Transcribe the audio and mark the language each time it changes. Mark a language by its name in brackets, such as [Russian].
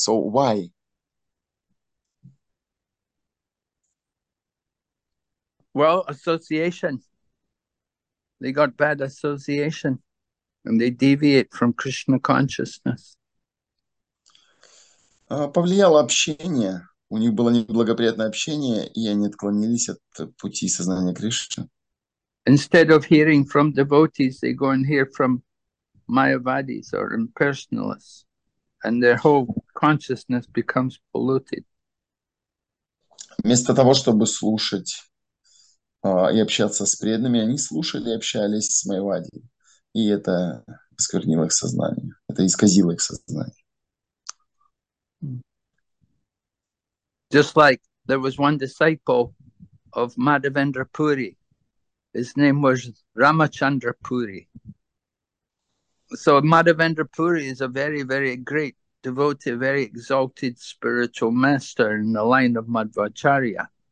[English] So why? Well, association. They got bad association and they deviate from Krishna consciousness. [Russian] Повлияло общение. У них было неблагоприятное общение, и они отклонились от пути сознания Кришны. [English] Instead of hearing from devotees, they go and hear from Mayavadis or impersonalists, and their whole consciousness becomes polluted. [Russian] Вместо того, чтобы слушать и общаться с преданными, они слушали и общались с Майвади. И это осквернило их сознание. Это исказило их сознание. [English] Just like there was one disciple of Madhavendra Puri. His name was Ramachandra Puri. So Madhavendra Puri is a very, very great devotee, very exalted spiritual master in the line of Madhvacharya.